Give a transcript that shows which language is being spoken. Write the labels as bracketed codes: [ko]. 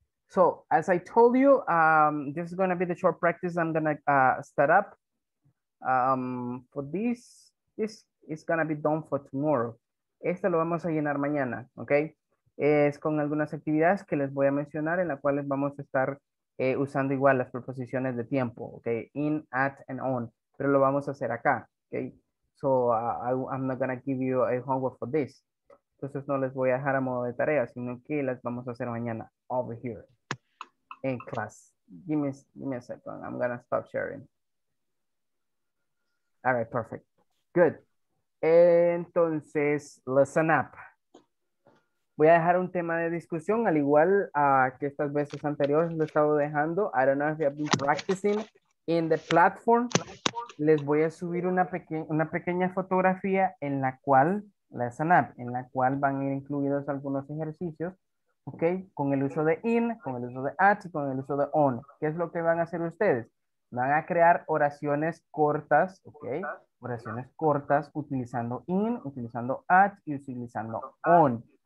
[en] So, as I told you, this is going to be the short practice I'm going to set up for this. This is gonna be done for tomorrow. [es] Este lo vamos a llenar mañana, [en] ¿ok? [es] Es con algunas actividades que les voy a mencionar en las cuales vamos a estar usando igual las preposiciones de tiempo, ¿ok? [en] In, at, and on. [es] Pero lo vamos a hacer acá, ¿ok? [en] So I'm not gonna give you a homework for this. [es] Entonces no les voy a dejar a modo de tarea, sino que las vamos a hacer mañana, [en] over here, in class. Give me a second, I'm gonna stop sharing. All right, perfect. Good. Entonces, listen up. [es] Voy a dejar un tema de discusión, al igual que estas veces anteriores lo he estado dejando. [en] I don't know if you have been practicing in the platform. [es] Les voy a subir una pequeña fotografía en la cual, [en] listen up, [es] en la cual van a ir incluidos algunos ejercicios, ¿ok? Con el uso de in, con el uso de at, y con el uso de on. ¿Qué es lo que van a hacer ustedes? Van a crear oraciones cortas, ¿ok? Oraciones cortas utilizando in, utilizando at y utilizando on.